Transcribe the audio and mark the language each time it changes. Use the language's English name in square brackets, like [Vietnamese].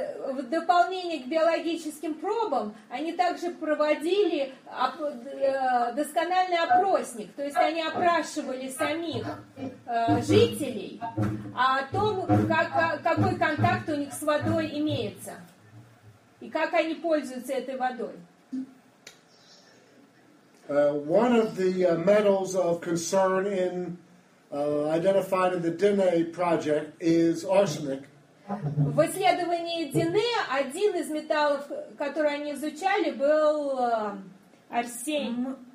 [Russian] В дополнение к биологическим пробам, они также проводили доскональный опросник. То есть они опрашивали самих жителей о том, какой контакт у них с водой имеется. И как они пользуются этой водой. [English] One of the metals of concern in identified in the Dine project is arsenic. [Russian] В исследовании Дине один из металлов, который они изучали, был арсен.